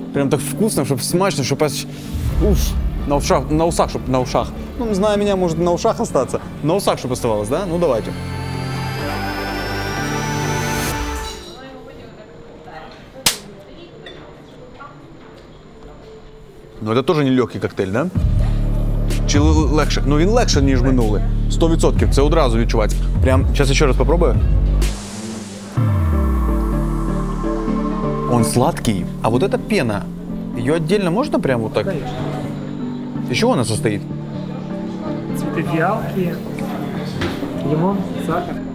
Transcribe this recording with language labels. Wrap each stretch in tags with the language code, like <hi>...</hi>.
<ru>Прям так вкусно, чтобы смачно, чтобы... Уф! На ушах, чтобы на ушах. Ну, не знаю, меня может на ушах остаться. На ушах, чтобы оставалось, да? Ну, давайте. Ну, это тоже нелегкий коктейль, да?</ru> <uk>Чи легше? Ну, він легше, ніж минулий. 100%. Це одразу відчувається.</uk> <ru>Прям, сейчас еще раз попробую. Он сладкий. А вот эта пена, ее отдельно можно прям вот так? Конечно. Из чего она состоит? Цветы фиалки, лимон, сахар.</ru>